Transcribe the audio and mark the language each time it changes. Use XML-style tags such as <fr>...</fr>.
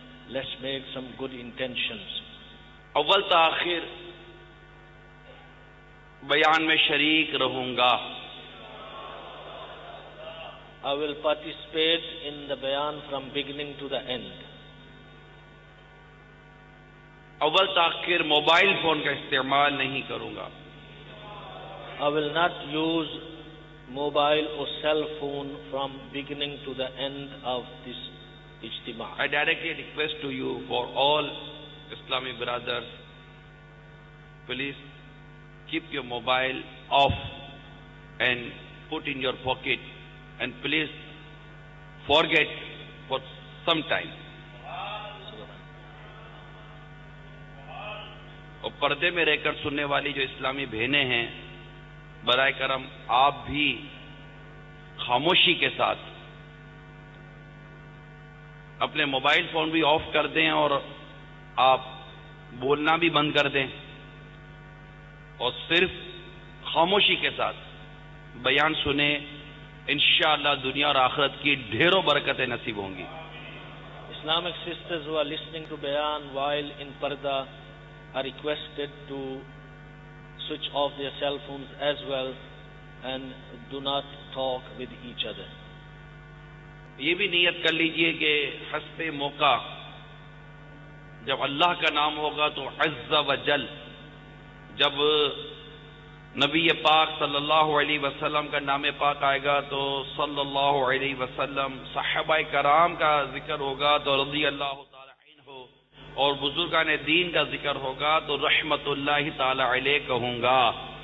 <en>Let's make some good intentions.</en> <ur>اول تاخیر بیان میں شریک رہوں گا.</ur> <en>I will participate in the بیان from beginning to the end.</en> <ur>اول تاخیر موبائل فون کا استعمال نہیں کروں گا.</ur> <en>I will not use mobile or cell phone from beginning to the end of this اجتماع. I directly request to you for all اسلامی brothers, please keep your mobile off and put in your pocket and please forget for some time.</en> <ur>اور پردے میں رہ کر سننے والی جو اسلامی بہنیں ہیں، برائے کرم آپ بھی خاموشی کے ساتھ اپنے موبائل فون بھی آف کر دیں اور آپ بولنا بھی بند کر دیں اور صرف خاموشی کے ساتھ بیان سنیں. انشاءاللہ دنیا اور آخرت کی ڈھیروں برکتیں نصیب ہوں گی.</ur> <en>Islamic sisters who are listening to بیان while in پردہ are requested to switch off their cell phones as well and do not talk with each other.</en> <ur>یہ بھی نیت کر لیجئے کہ حسب موقع جب اللہ کا نام ہوگا تو عز و جل، جب نبی پاک صلی اللہ علیہ وسلم کا نام پاک آئے گا تو صلی اللہ علیہ وسلم، صحابہ کرام کا ذکر ہوگا تو رضی اللہ تعالی عنہ، اور بزرگان دین کا ذکر ہوگا تو رحمت اللہ تعالی علیہ کہوں گا.</ur>